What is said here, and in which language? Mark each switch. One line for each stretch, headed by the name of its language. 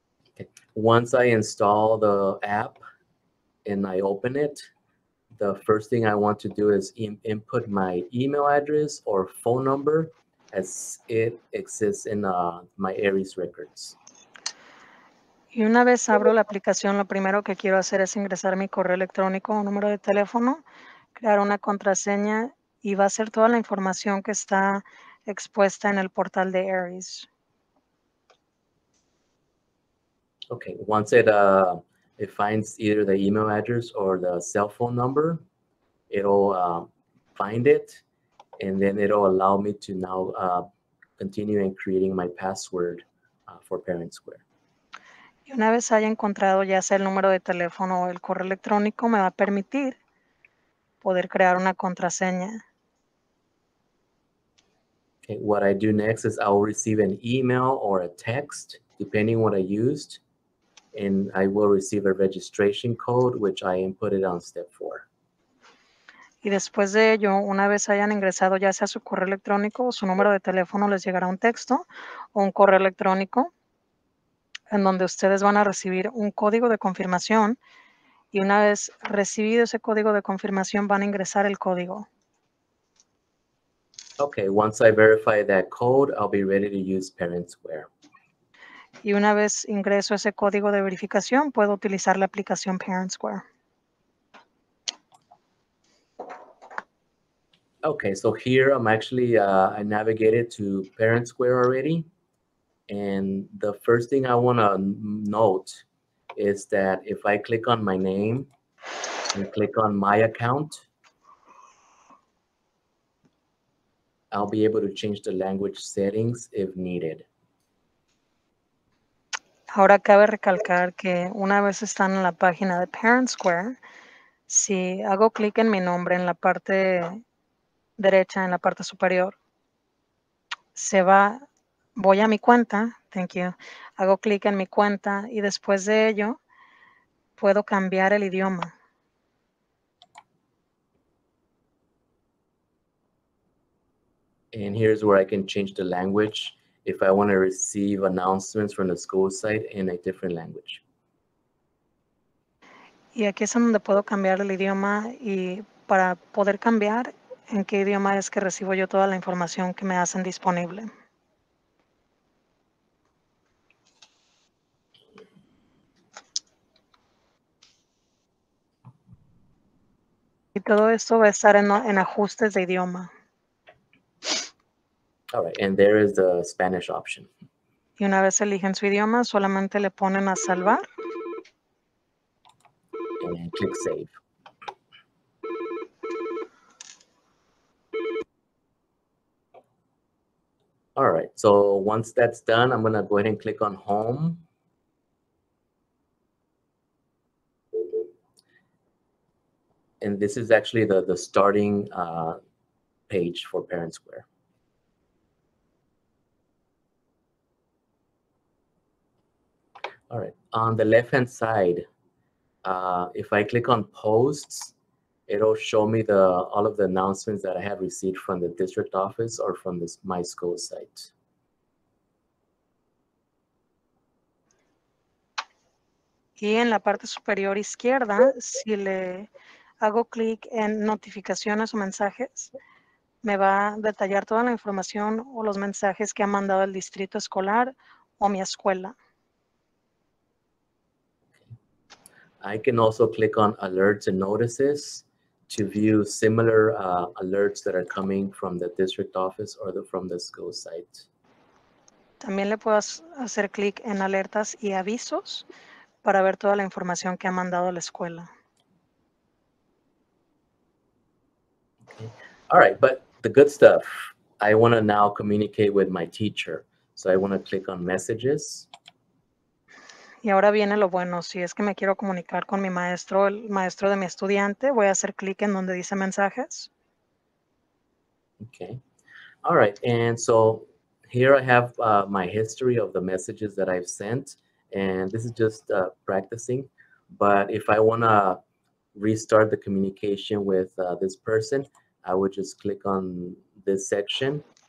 English: Okay. Once I install the app and I open it, the first thing I want to do is input my email address or phone number as it exists in my Aeries records.
Spanish: Y una vez abro la aplicación, lo primero que quiero hacer es ingresar mi correo electrónico o número de teléfono, crear una contraseña y va a ser toda la información que está expuesta en el portal de Aeries.
English: Okay, once it finds either the email address or the cell phone number, it'll find it, and then it'll allow me to now continue in creating my password for ParentSquare.
Spanish: Y una vez haya encontrado ya sea el número de teléfono o el correo electrónico, me va a permitir poder crear una contraseña.
English: Okay, what I do next is I'll receive an email or a text, depending what I used. And I will receive a registration code, which I inputted on step 4.
Spanish: Y después de ello, una vez hayan ingresado ya sea su correo electrónico o su número de teléfono, les llegará un texto o un correo electrónico en donde ustedes van a recibir un código de confirmación. Y una vez recibido ese código de confirmación, van a ingresar el código.
English: Okay, once I verify that code, I'll be ready to use ParentSquare.
Spanish: Y una vez ingreso ese código de verificación, puedo utilizar la aplicación ParentSquare.
English: Okay, so here I'm actually, I navigated to ParentSquare already. And the first thing I want to note is that if I click on my name and click on my account, I'll be able to change the language settings if needed.
Spanish: Ahora cabe recalcar que una vez están en la página de ParentSquare, si hago clic en mi nombre en la parte derecha, en la parte superior, se va, voy a mi cuenta,
English: thank you,
Spanish: hago clic en mi cuenta y después de ello puedo cambiar el idioma.
English: And here's where I can change the language. If I want to receive announcements from the school site in a different language.
Spanish: Y aquí es donde puedo cambiar el idioma y para poder cambiar en qué idioma es que recibo yo toda la información que me hacen disponible. Y todo esto va a estar en ajustes de idioma.
English: All right, and there is the Spanish option.
Spanish: Y una vez eligen su idioma, solamente le ponen a salvar.
English: And then click save. All right, so once that's done, I'm going to go ahead and click on home. And this is actually the starting page for ParentSquare. All right, on the left-hand side, if I click on posts, it'll show me all of the announcements that I have received from the district office or from my school site.
Spanish: Y en la parte superior izquierda, si le hago clic en notificaciones o mensajes, me va a detallar toda la información o los mensajes que ha mandado el distrito escolar o mi escuela.
English: I can also click on alerts and notices to view similar alerts that are coming from the district office or from the school site.
Spanish: También le puedo hacer clic en alertas y avisos para ver toda la información que ha mandado la escuela.
English: Okay. All right, but the good stuff. I want to now communicate with my teacher. So I want to click on messages.
Spanish: Y ahora viene lo bueno. Si es que me quiero comunicar con mi maestro, el maestro de mi estudiante, voy a hacer clic en donde dice mensajes.
English: Okay. All right. And so here I have my history of the messages that I've sent. And this is just practicing. But if I want to restart the communication with this person, I would just click on this section.